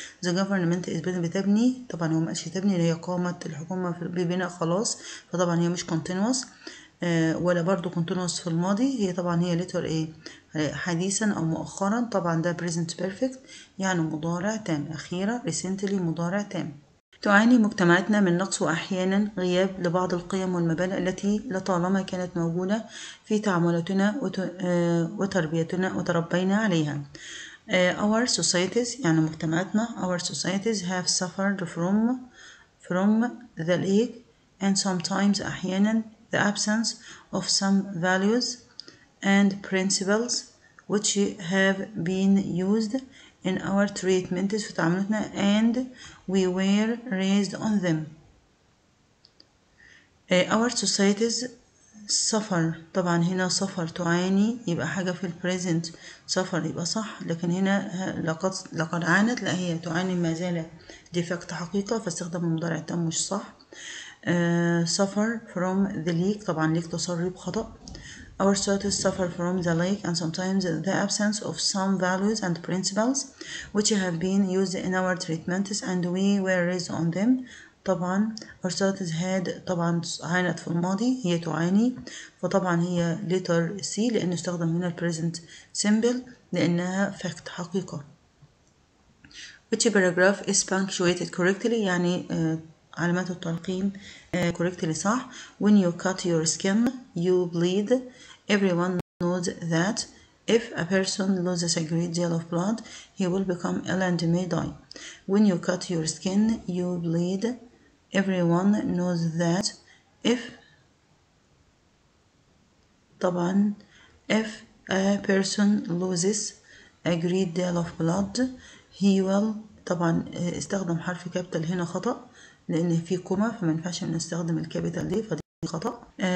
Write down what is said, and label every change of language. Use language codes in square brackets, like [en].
[en] The government is building [ar] بتبني طبعا هو ما قالش تبني اللي هي قامت الحكومة ببناء خلاص فطبعا هي مش [en] continuous [ar] ولا برضو continuous في الماضي هي طبعا هي [en] letter A [ar] حديثا أو مؤخرا طبعا ده [en] present perfect [ar] يعني مضارع تام أخيرا [en] recently [ar] مضارع تام. تعاني مجتمعاتنا من نقص وأحيانا غياب لبعض القيم والمبادئ التي لطالما كانت موجودة في تعاملاتنا وتربيتنا وتربينا عليها. [en] Our societies [ar] يعني مجتمعاتنا [en] our societies have suffered from the lack and sometimes [ar] أحيانا [en] the absence of some values and principles which have been used in our treatments [ar] في تعاملاتنا [en] and we were raised on them. Our societies [ar] سفر، طبعا هنا سفر تعاني يبقى حاجة في البريزنت، سفر يبقى صح، لكن هنا لقد عانت، لا هي تعاني ما زال، دي فاكت حقيقة، فاستخدام المضارع التام مش صح. سفر [en] from the lake، [ar] طبعا ليك تسرب خطأ. [en] Our status suffer from the lake and sometimes the absence of some values and principles which have been used in our treatments and we were raised on them. [ar] طبعا [en] our status had، [ar] طبعا عانت في الماضي، هي تعاني، فطبعا هي [en] letter C [ar] لأن استخدم هنا [en] present simple [ar] لأنها [en] fact [ar] حقيقة. [en] Which paragraph is punctuated correctly؟ [ar] يعني علامات الترقيم [en] correctly [ar] صح. [en] When you cut your skin you bleed. Everyone knows that if a person loses a great deal of blood he will become ill and may die. When you cut your skin you bleed. Everyone knows that if طبعا if a person loses a great deal of blood he will [ar] طبعا استخدم حرف كابيتال هنا خطأ لأن في كومة فما ينفعش نستخدم الكابيتال دي فدي خطأ.